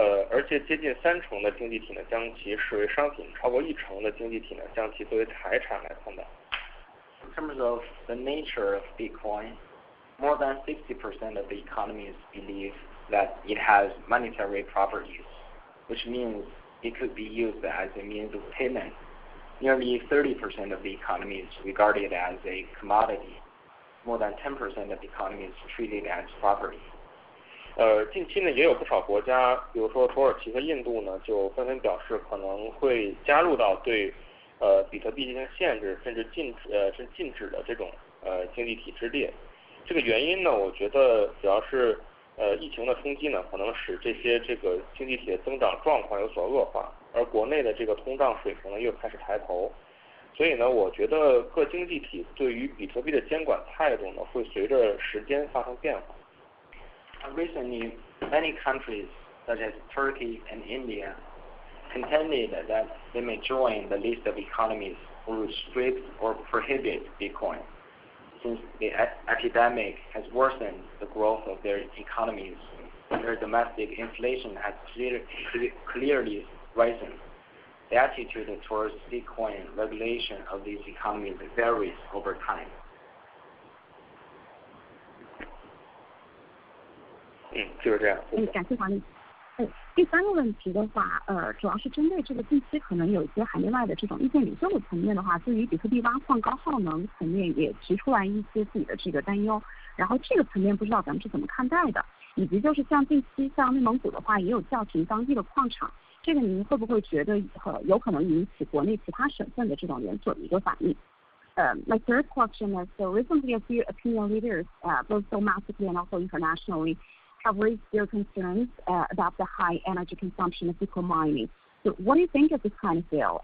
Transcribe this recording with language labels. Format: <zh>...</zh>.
<zh>而且接近30%的经济体呢将其视为商品，超过10%的经济体呢将其作为财产来看待。</zh> <en>In terms of the nature of Bitcoin, more than 60% of the economies believe that it has monetary properties, which means it could be used as a means of payment. Nearly 30% of the economies regard it as a commodity. More than 10% of the economies treat it as property.</en> <zh>近期呢也有不少国家，比如说土耳其和印度呢，就纷纷表示可能会加入到对比特币进行限制甚至禁止的这种经济体之列。这个原因呢，我觉得主要是疫情的冲击呢可能使这个经济体的增长状况有所恶化，而国内的这个通胀水平呢又开始抬头，所以呢我觉得各经济体对于比特币的监管态度呢会随着时间发生变化。</zh> <en>Recently, many countries such as Turkey and IndiaContended that they may join the list of economies who restrict or prohibit Bitcoin, since the epidemic has worsened the growth of their economies, their domestic inflation has clearly risen. The attitude towards Bitcoin regulation of these economies varies over time.</en> <zh>就是这样。感谢管理。第三个问题的话，主要是针对这个近期可能有一些海内外的这种意见领袖层面的话，对于比特币挖矿高耗能层面也提出来一些自己的这个担忧，然后这个层面不知道咱们是怎么看待的，以及就是像近期像内蒙古的话也有叫停当地的矿场，这个您会不会觉得有可能引起国内其他省份的这种连锁的一个反应？</zh> <en>My third question is, so recently a few opinion leaders, both domestically and also internationally,have raised their concerns about the high energy consumption of Bitcoin mining. So what do you think of this kind of deal?</en>